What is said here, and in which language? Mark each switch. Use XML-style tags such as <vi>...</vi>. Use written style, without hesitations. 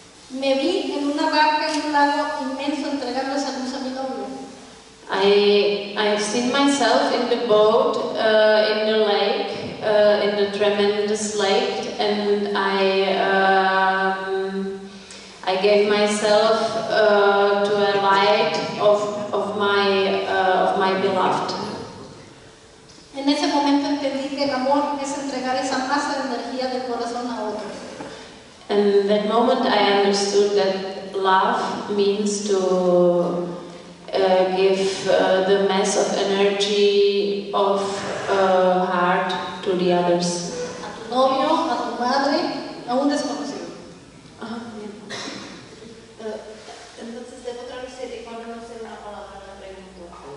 <es>Me vi en una barca en un lago inmenso entregando salud a mi novio.</es> <en>I've seen myself in the boat in the lake, in the tremendous lake, and I gave myself to a light of my beloved.</en> <es>En ese momento entendí que el amor es entregar esa masa de energía del corazón a otro.</es> <en>In that moment I understood that love means to give the mass of energy of heart to the others.</en> <es>A tu novio, a tu madre, a un desconocido. Entonces debo traducir y ponernos en una palabra la pregunta.</es>